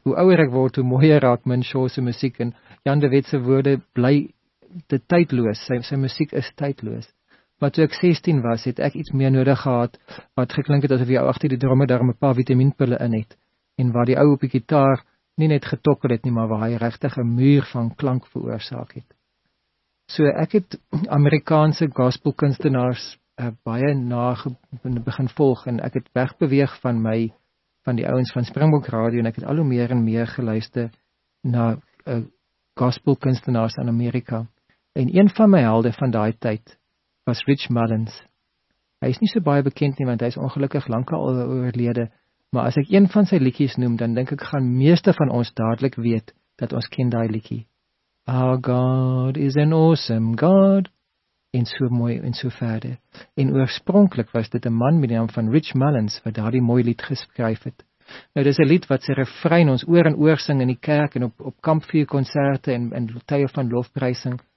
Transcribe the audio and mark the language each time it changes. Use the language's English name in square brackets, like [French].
[Afrikaans] Hoe ouer ek word, hoe mooier raak Min Shaw se musiek en Jan de Wet se woorde bly te tydloos. Sy musiek is tydloos. Maar toe ek 16 was, het ek iets meer nodig gehad wat geklink het asof jy agter die drome daar 'n paar vitaminpille in het. En waar die ou op die gitaar nie net getokkel het nie, maar waar hy regtig 'n muur van klank veroorsaak het. So ek het Amerikaanse gospelkunstenaars baie na begin volg en ek het wegbeweeg van my, van die ouens van Springbok Radio en ek het al hoe meer en meer geluister na gospelkunstenaars in Amerika. En een van my helde van daai tyd was Rich Mullins. Hy is nie so baie bekend nie, want hy is ongelukkig lankal oorlede, maar as ek een van sy liedjies noem, dan dink ek gaan meeste van ons dadelik weet dat ons ken daai liedjie. [English] Our God is an awesome God. [Afrikaans] En so mooi en so verder. En oorspronklik was dit 'n man met die naam van Rich Mullins wat daardie mooi lied geskryf het. Nou, dis 'n lied wat sy refrein ons oor en oor sing in die kerk en op kampvuurkonserte en tye van lofprysing.